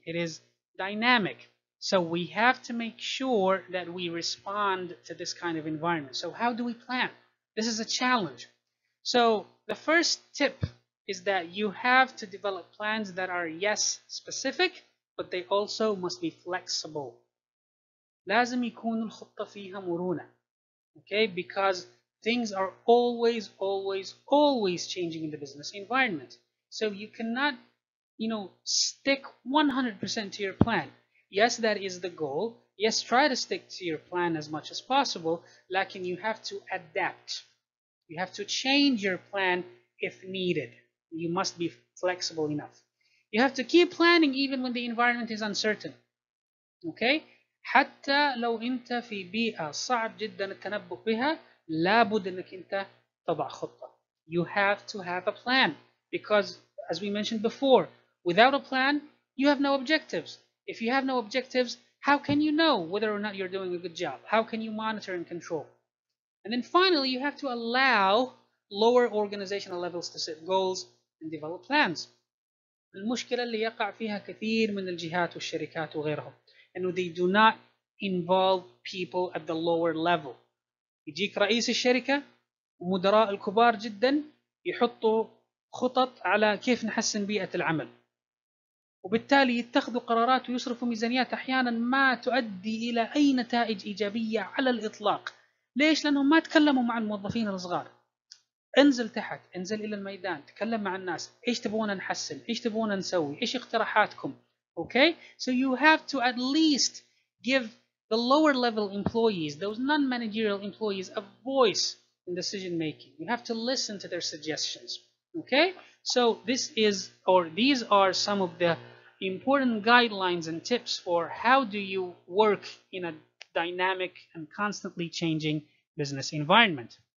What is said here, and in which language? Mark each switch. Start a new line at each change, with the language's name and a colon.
English: It is dynamic. So we have to make sure that we respond to this kind of environment. So how do we plan? This is a challenge. So the first tip is that you have to develop plans that are, yes, specific, but they also must be flexible.
Arabic: لازم يكون الخطة فيها مرونة.
English: Okay, because things are always, always, always changing in the business environment. So you cannot, you know, stick 100% to your plan. Yes, that is the goal. Yes, try to stick to your plan as much as possible,
Arabic: لكن
English: you have to adapt. You have to change your plan if needed. You must be flexible enough. You have to keep planning even when the environment is uncertain. Okay?
Arabic: حتى لو انت في بيئة صعب جدا التنبؤ بها, لابد انك انت تضع خطة.
English: You have to have a plan. Because, as we mentioned before, without a plan, you have no objectives. If you have no objectives, how can you know whether or not you're doing a good job? How can you monitor and control? And then finally, you have to allow lower organizational levels to set goals and develop plans.
Arabic: المشكلة اللي يقع فيها كثير من الجهات والشركات وغيرهم انه
English: they do not involve people at the lower level.
Arabic: يجيك رئيس الشركة ومدراء الكبار جدا يحطوا خطط على كيف نحسن بيئة العمل. وبالتالي يتخذوا قرارات ويصرفوا ميزانيات احيانا ما تؤدي الى اي نتائج ايجابية على الاطلاق. ليش؟ لانهم ما تكلموا مع الموظفين الصغار. انزل تحت، انزل الى الميدان، تكلم مع الناس، ايش تبغون نحسن؟ ايش تبغون نسوي؟ ايش اقتراحاتكم؟ Okay?
English: So you have to at least give the lower level employees, those non-managerial employees, a voice in decision making. You have to listen to their suggestions. Okay? So this is, or these are some of the important guidelines and tips for how do you work in a dynamic and constantly changing business environment.